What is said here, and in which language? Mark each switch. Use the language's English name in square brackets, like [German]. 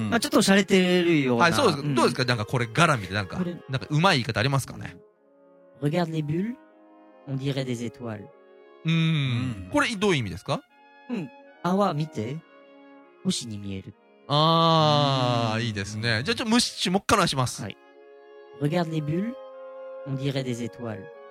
[Japanese] まあちょっと洒落てるような。はい、そうです。どうですか？なんかこれ、ガラみたいな、なんか、うまい言い方ありますかね？ [French] Regarde les bulles, on dirait des étoiles. [Japanese] これどういう意味ですか？うん。泡見て、星に見える。あー、いいですね。じゃあちょっと無視中、もう一回話します。はい。 [French] Regarde les bulles, on dirait des étoiles.